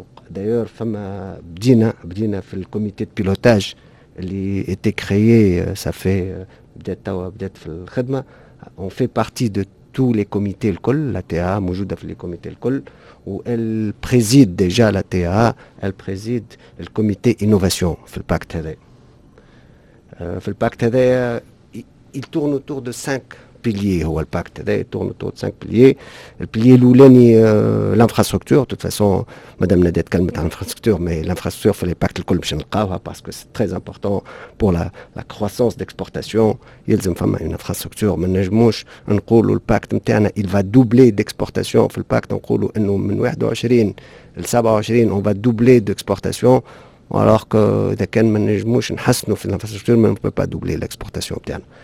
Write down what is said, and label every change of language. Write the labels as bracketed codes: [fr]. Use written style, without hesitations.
[ar] دايور فما بدينا في الكوميتي دو بيلوتاج اللي ايتي كريي صافي بدات في الخدمه. [fr] اون في بارتي دو tous les comités الكل، la TA موجودة في les comités الكل où elle préside déjà la TA, elle préside le comité innovation في الباكت هذا. في الباكت هذا il tourne autour de 5 piliers. هو الباكت هذا tourne autour de 5 piliers. [ar] البيليه الاولاني l'infrastructure. [fr] De toute façon madame Nadia تكلمت عن infrastructure، mais l'infrastructure في الباكت الكل باش نلقاوها parce que c'est très important pour la croissance d'exportation. [ar] يلزم فما une infrastructure. ما نجموش نقولوا الباكت نتاعنا il va doubler d'exportation. في الباكت نقولوا انه من 21 ل 27 on va doubler d'exportation، alors que اذا كان ما نجموش نحسنوا في الانفراستركتور ما نقدر با دوبلي الاكسبورتاسيون نتاعنا.